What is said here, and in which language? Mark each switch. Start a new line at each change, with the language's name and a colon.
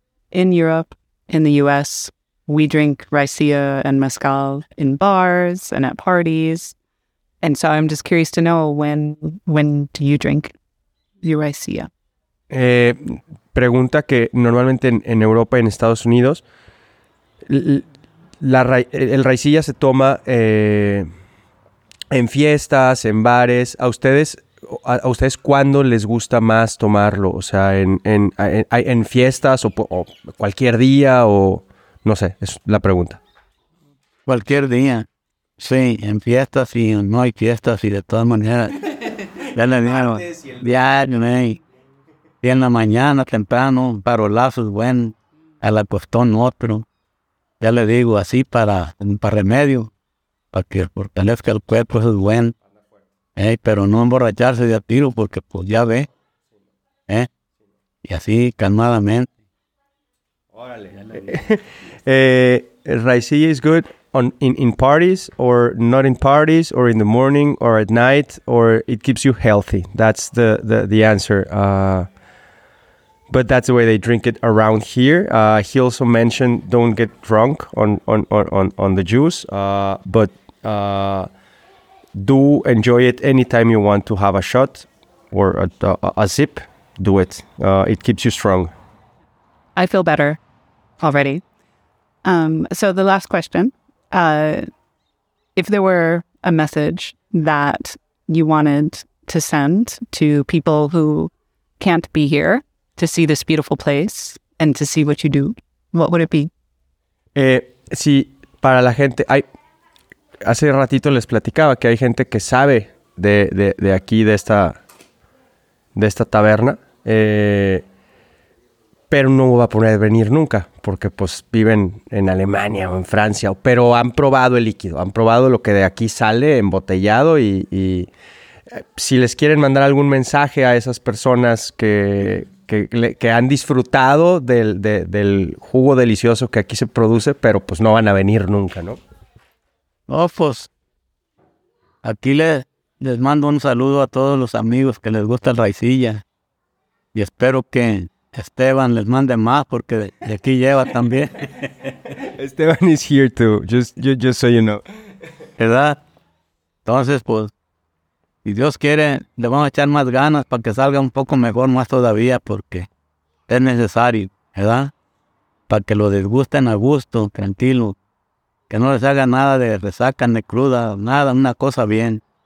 English: In Europe, in the U.S., we drink raicilla and mezcal in bars and at parties. And so I'm just curious to know, when do you drink your raicilla?
Spanish: Pregunta que normalmente en Europa y en Estados Unidos, el raicilla se toma en fiestas, en bares. ¿A ustedes cuándo les gusta más tomarlo? O sea, en fiestas o cualquier día o... No sé, es la pregunta. Cualquier día. Sí, en fiestas y no hay fiestas y de todas maneras. Ya le digo, diario, y en la mañana temprano, parolazos, buen, al acostón otro. Ya le digo, así para remedio, para que fortalezca el cuerpo, eso es buen. ¿eh? Pero no emborracharse de a tiro porque pues ya ve, ¿eh? Y así calmadamente. Órale.
English: Raicilla is good on in parties or not in parties or in the morning or at night, or it keeps you healthy. That's the answer. But that's the way they drink it around here. He also mentioned don't get drunk on the juice, but do enjoy it anytime you want to have a shot or a sip. Do it. It keeps you strong. I feel better already. So the last question, if there were a message that you wanted to send to people who can't be here to see this beautiful place and to see what you do, what would it be?
Spanish: Si para la gente, hace ratito les platicaba que hay gente que sabe de aquí, de esta taberna, pero no va a poder venir nunca, porque pues viven en Alemania o en Francia, pero han probado el líquido, han probado lo que de aquí sale embotellado y si les quieren mandar algún mensaje a esas personas que han disfrutado del jugo delicioso que aquí se produce, pero pues no van a venir nunca, ¿no? No, pues aquí les mando un saludo a todos los amigos que les gusta el raicilla y espero que Esteban les mande más porque de aquí lleva también.
English: Esteban is here too, just so you know.
Spanish: ¿Verdad? Entonces, pues, si Dios quiere, le vamos a echar más ganas para que salga un poco mejor más todavía porque es necesario, ¿verdad? Para que lo disgusten a gusto, tranquilo. Que no les haga nada de resaca ni cruda, nada, una cosa bien.